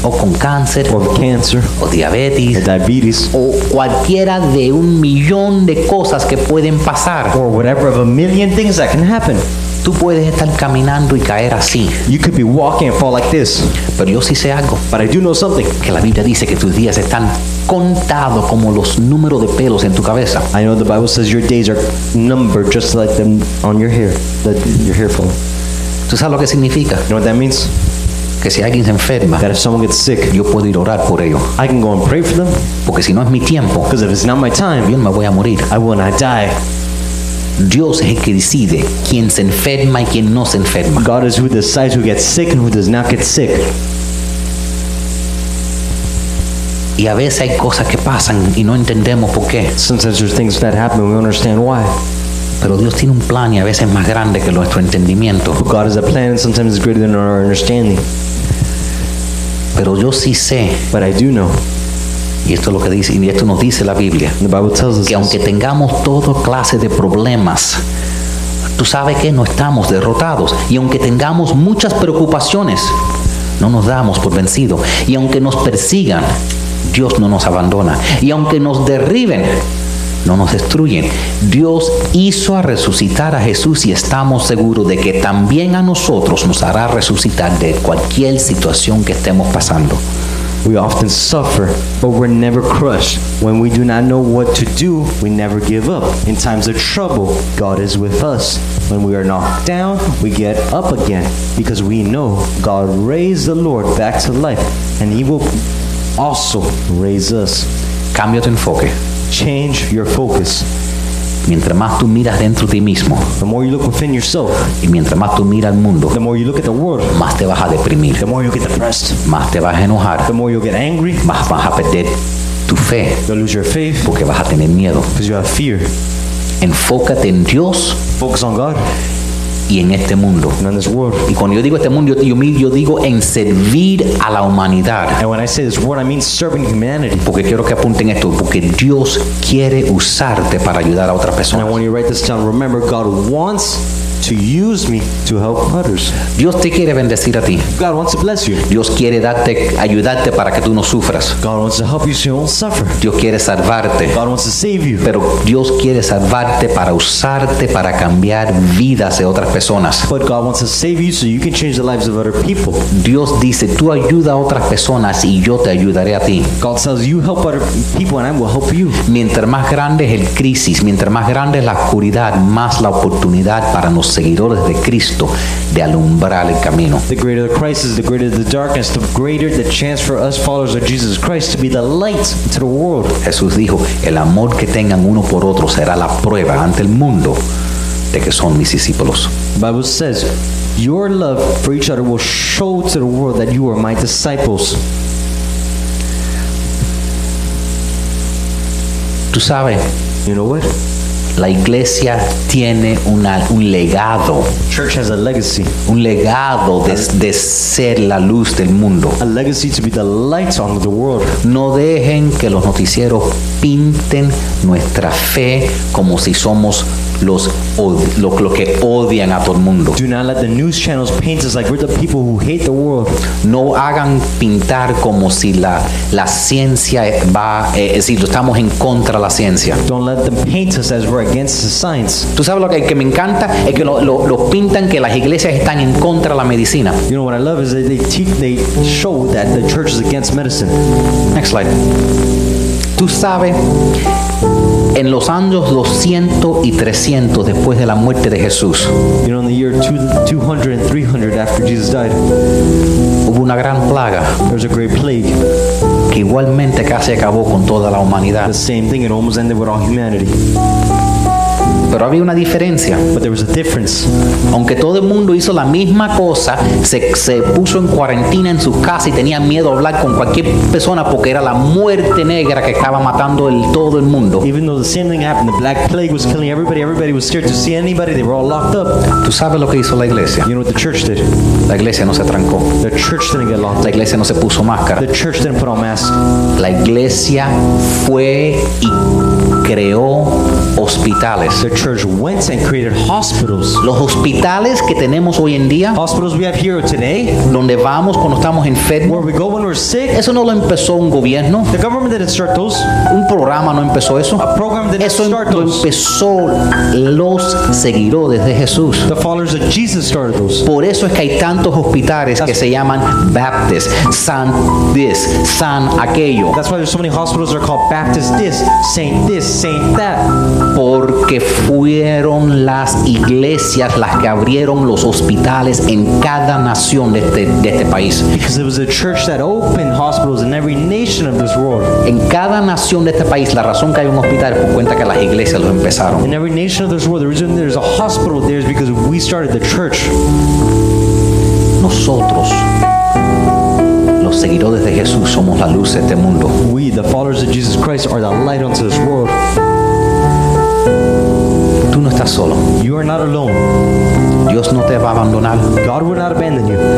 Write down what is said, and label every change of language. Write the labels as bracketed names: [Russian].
[Spanish] O con cáncer. [English] Or cancer. [Spanish] O diabetes. [English] Or diabetes. [Spanish] O cualquiera de un millón de cosas que pueden pasar. [English] Or whatever of a million things that can happen. [Spanish] Tú puedes estar caminando y caer así. [English] You could be walking and fall like this. [Spanish] Pero yo sí sé algo. [English] But I do know something. [Spanish] Que la Biblia dice que tus días están contados como los números de pelos en tu cabeza. [English] I know the Bible says your days are numbered just like them on your hair. That your hair falls. [Spanish] ¿Tú sabes lo que significa? [English] You know what that means? [Spanish] Que si alguien se enferma, [English] that if someone gets sick, [Spanish] yo puedo ir a orar por ello. [English] I can go and pray for them. [Spanish] Porque si no es mi tiempo, [English] because if it's not my time, [Spanish] yo no me voy a morir. [English] I will not die. [Spanish] Dios es el que decide quién se enferma y quién no se enferma. [English] God is who decides who gets sick and who does not get sick. [Spanish] Y a veces hay cosas que pasan y no entendemos por qué. [English] Sometimes there's things that happen and we don't understand why. [Spanish] Pero Dios tiene un plan y a veces es más grande que nuestro entendimiento. [English] But God has a plan and sometimes it's greater than our understanding. [Spanish] Pero yo sí sé. [English] But I do know. [Spanish] Y esto es lo que dice, y esto nos dice la Biblia. [English] The Bible tells us [Spanish] que aunque tengamos todo clase de problemas, tú sabes que no estamos derrotados. Y aunque tengamos muchas preocupaciones, no nos damos por vencido. Y aunque nos persigan, Dios no nos abandona. Y aunque nos derriben, no nos destruyen. Dios hizo a resucitar a Jesús y estamos seguros de que también a nosotros nos hará resucitar de cualquier situación que estemos pasando. [English] We often suffer, but we're never crushed. When we do not know what to do, we never give up. In times of trouble, God is with us. When we are knocked down, we get up again, because we know God raised the Lord back to life, and He will also raise us. [Spanish] Cambia tu enfoque. [English] Change your focus. [Spanish] Mientras más tú miras dentro de ti mismo, [English] the more you look within yourself, [Spanish] y mientras más tú miras al mundo, [English] the more you look at the world, [Spanish] más te vas a deprimir, [English] the more you get depressed, [Spanish] más te vas a enojar, [English] the more you get angry, [Spanish] más vas a perder tu fe, [English] you'll lose your faith, [Spanish] porque vas a tener miedo, [English] because you have fear. [Spanish] Enfócate en Dios, [English] focus on God, [Spanish] y en este mundo, [English] and in this world. [Spanish] Y cuando yo digo este mundo, yo digo en servir a la humanidad. [English] And when I say this word, I mean serving humanity. [Spanish] Porque quiero que apunten esto, porque Dios quiere usarte para ayudar a otra persona. [English] And when you write this down, remember God wants to use me to help others. [Spanish] Dios te quiere bendecir a ti. [English] God wants to bless you. [Spanish] Dios quiere darte, ayudarte para que tú no sufras. [English] God wants to help you so you don't suffer. [Spanish] Dios quiere salvarte. [English] God wants to save you. [Spanish] Pero Dios quiere salvarte para usarte para cambiar vidas de otras personas. [English] But God wants to save you so you can change the lives of other people. [Spanish] Dios dice, tú ayuda a otras personas y yo te ayudaré a ti. [English] God says, you help other people and I will help you. [Spanish] Mientras más grande es el crisis, mientras más grande es la oscuridad, más la oportunidad para los seguidores de Cristo de alumbrar el camino. [English] The greater the crisis, the greater the darkness, the greater the chance for us followers of Jesus Christ to be the light to the world. [Spanish] Jesús dijo, el amor que tengan uno por otro será la prueba ante el mundo de que son mis discípulos. [English] The Bible says, your love for each other will show to the world that you are my disciples. [Spanish] Tú sabes, [English] you know what? [Spanish] La iglesia tiene un legado. [English] Church has a legacy. [Spanish] Un legado de ser la luz del mundo. [English] A legacy to be the light on the world. [Spanish] No dejen que los noticieros pinten nuestra fe como si somos los que odian a todo el mundo. [English] Do not let the news channels paint us like we're the people who hate the world. [Spanish] No hagan pintar como si la ciencia va, es decir, estamos en contra de la ciencia. [English] Don't let them paint us as against the science. [Spanish] Tú sabes lo que me encanta es que lo pintan que las iglesias están en contra de la medicina. [English] You know what I love is that they show that the church is against medicine. Next slide. [Spanish] Tú sabes, en los años 200 y 300 después de la muerte de Jesús, [English] you know, in the year 200 and 300 after Jesus died, [Spanish] hubo una gran plaga. [English] There was a great plague. [Spanish] Que igualmente casi acabó con toda la humanidad. [English] The same thing, it almost ended with all humanity. [Spanish] Pero había una diferencia. [English] But there was a difference. [Spanish] Aunque todo el mundo hizo la misma cosa, se puso en cuarentena en sus casas y tenía miedo a hablar con cualquier persona porque era la muerte negra que estaba matando todo el mundo. [English] Even though the same thing happened, the black plague was killing everybody, everybody was scared to see anybody, they were all locked up. [Spanish] ¿Tú sabes lo que hizo la iglesia? [English] You know what the church did? [Spanish] La iglesia no se trancó. [English] The church didn't get locked up. [Spanish] La iglesia no se puso máscara. [English] The church didn't put on masks. [Spanish] La iglesia fue y creó hospitales. [English] The church went and created hospitals. [Spanish] Los hospitales que tenemos hoy en día, [English] hospitals we have here today, [Spanish] donde vamos cuando estamos enfermos, [English] where we go when we're sick, [Spanish] eso no lo empezó un gobierno. [English] The government didn't start those. [Spanish] Un programa no empezó eso. [English] A program didn't [Spanish] eso [English] start those. [Spanish] Eso empezó los seguidores de Jesús. [English] The followers of Jesus started those. [Spanish] Por eso es que hay tantos hospitales que se llaman Baptist, San [English] this, [Spanish] San aquello. [English] That's why there's so many hospitals that are called Baptist this, Saint this, Saint that. [Spanish] Porque fueron las iglesias las que abrieron los hospitales en cada nación de este país. [English] Because it was the church that opened hospitals in every nation of this world. [Spanish] En cada nación de este país, la razón que hay un hospital es por cuenta que las iglesias lo empezaron. [English] In every nation of this world, the reason there's a hospital there is because we started the church. [Spanish] Nosotros, los seguidores de Jesús, somos la luz de este mundo. [English] We, the followers of Jesus Christ, are the light unto this world. [Spanish] Tú no estás solo. [English] You are not alone. [Spanish] Dios no te va a abandonar. [English] God will not abandon you.